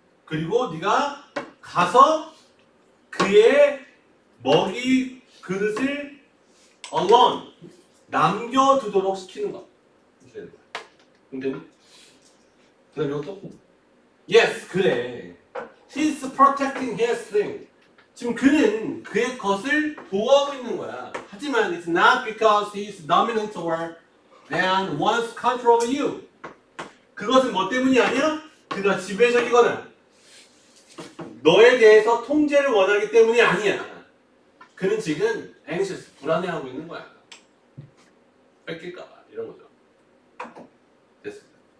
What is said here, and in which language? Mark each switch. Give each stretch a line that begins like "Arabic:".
Korean: 그리고 네가 가서 그의 먹이 그릇을 alone 남겨두도록 시키는 것. 이렇게 되는 거야. 근데 그 다음 이것도 yes 그래.
English: He's protecting his thing.
Korean: 지금 그는 그의 것을 보호하고 있는 거야. 하지만
English: it's not because he's dominant or and wants control of you.
Korean: 그것은 뭐 때문이 아니야? 그가 지배적이거나 너에 대해서 통제를 원하기 때문이 아니야. 그는 지금 anxious, 불안해하고 있는 거야. 뺏길까 봐 이런 거죠. 됐습니다.